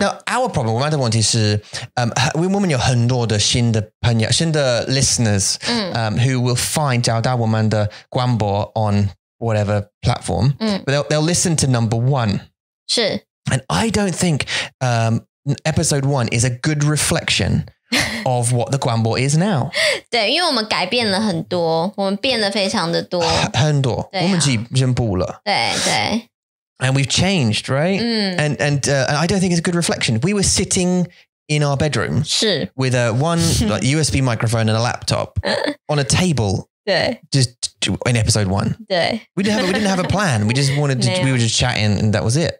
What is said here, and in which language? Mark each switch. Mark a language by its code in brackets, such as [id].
[en] Now our problem, [zh] 我们的问题是，我们有很多的新的 [en] 朋友，新的 listeners, who will find [zh] 找到我们的广播 [en] on whatever platform, but they'll listen to number one. [zh] 是 [en] and I don't think episode one is a good reflection of what the 广播 is now. [zh] 对，因为我们改变了很多，我们变得非常的多，很多，我们进步了。对对 [en] ，and we've changed, right? And I don't think it's a good reflection. We were sitting in our bedroom, [zh] 是 [en] with a one like, USB microphone and a laptop on a table. [zh] 对 [en] just. In episode one. [zh] 对 [en] we didn't have a plan. We just wanted to, we were just chatting and that was it.